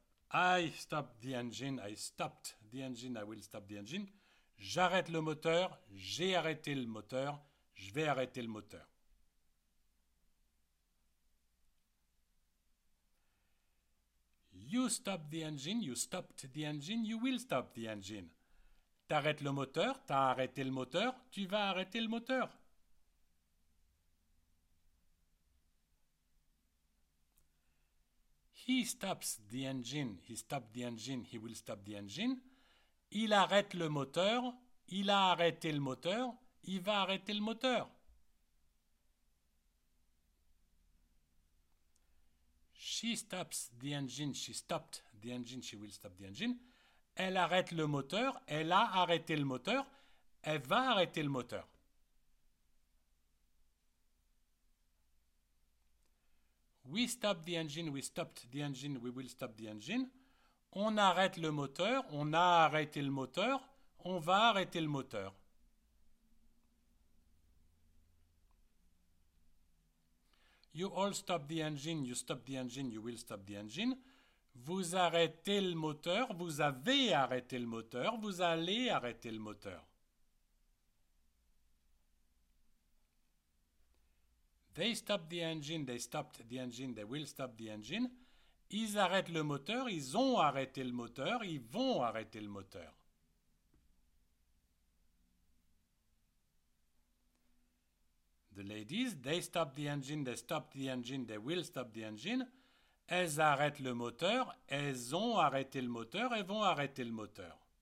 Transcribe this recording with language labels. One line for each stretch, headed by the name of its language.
English: I stopped the engine, I stopped the engine, I will stop the engine.
French: J'arrête le moteur, j'ai arrêté le moteur, je vais arrêter le moteur.
English: You stopped the engine, you stopped the engine, you will stop the engine.
French: T'arrêtes le moteur, t'as arrêté le moteur, tu vas arrêter le moteur.
English: He stops the engine, he stopped the engine, he will stop the engine.
French: Il arrête le moteur, il a arrêté le moteur, il va arrêter le moteur.
English: She stops the engine, she stopped the engine, she will stop the engine.
French: Elle arrête le moteur, elle a arrêté le moteur, elle va arrêter le moteur.
English: We stopped the engine, we stopped the engine, we will stop the engine.
French: On arrête le moteur, on a arrêté le moteur, on va arrêter le moteur.
English: You all stop the engine, you stop the engine, you will stop the engine.
French: Vous arrêtez le moteur, vous avez arrêté le moteur, vous allez arrêter le moteur.
English: They stop the engine, they stopped the engine, they will stop the engine.
French: Ils arrêtent le moteur, ils ont arrêté le moteur, ils vont arrêter le moteur.
English: The ladies, they stop the engine, they stop the engine, they will stop the engine.
French: Elles arrêtent le moteur, elles ont arrêté le moteur, elles vont arrêter le moteur.